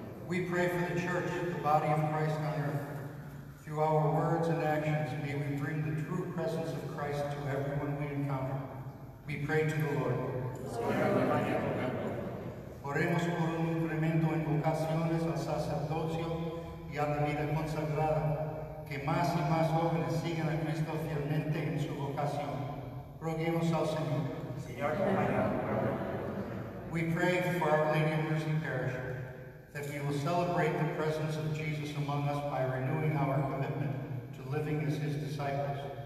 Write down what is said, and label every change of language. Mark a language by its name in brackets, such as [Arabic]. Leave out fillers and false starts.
[English] We pray for the church, the body of Christ on earth. Through our words and actions, may we bring the true presence of Christ to everyone we encounter. We pray to the Lord. [Spanish] Señor, acompaña a tu pueblo. Oremos por un incremento en vocaciones al sacerdocio y a la vida consagrada, que más y más jóvenes sigan a Cristo fielmente en su vocación. Roguemos al Señor. Señor, acompáñanos. [English] We pray for Our Lady of Mercy Parish. that we will celebrate the presence of Jesus among us by renewing our commitment to living as his disciples.